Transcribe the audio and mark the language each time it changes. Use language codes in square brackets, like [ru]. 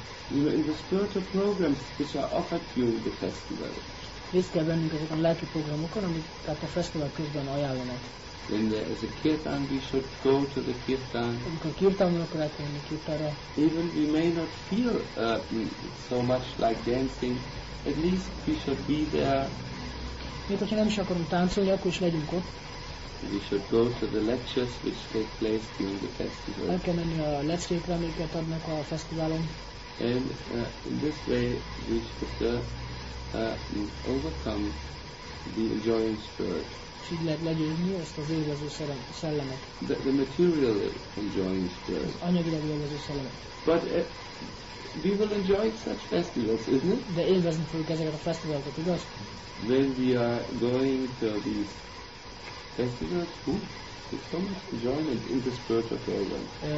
[en] In the spiritual programs which are offered to you the festival. [hu] Részt kell vennünk ezeken a lelki programokon, amiket a festival közben ajánlanak. [en] When there is a kirtan, we should go to the kirtan. [hu] Amikor kirtan van, akkor el kell menni kirtanra. [en] Even we may not feel so much like dancing, at least we should be there. [hu] Még hogyha nem is akarunk táncolni, akkor is legyünk ott. [en] We should go to the lectures which take place during the festival. [hu] El kell menni a leckékre, amiket adnak a fesztiválon. [en] And in this way we should overcome the enjoying spirit. [hu] Így lehet legyőzni ezt az élvező szellemet. [en] The material enjoying spirit. [hu] Az anyagilag élvező szellemet. [en] But we will enjoy such festivals, isn't it? [hu] De élvezni fogjuk ezeket a fesztiválokat, igaz? [en] When we are going to these festivals, who? It's so much enjoyment in the spiritual program.